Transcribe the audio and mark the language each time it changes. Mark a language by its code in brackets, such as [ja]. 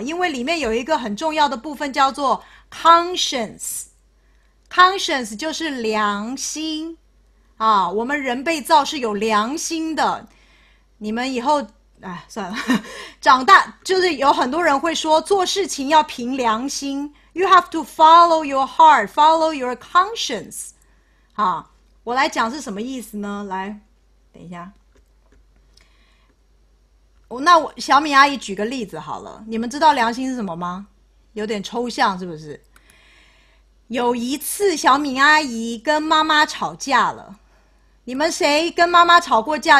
[zh] 因为里面有一个很重要的部分叫做 conscience， conscience 就是良心啊。我们人被造是有良心的，你们以后算了，长大就是有很多人会说做事情要凭良心。 [en] You have to follow your heart, follow your conscience. [zh] 好，我来讲是什么意思呢？来，等一下。那我小米阿姨举个例子好了，你们知道良心是什么吗？有点抽象是不是？有一次小米阿姨跟妈妈吵架了，你们谁跟妈妈吵过架？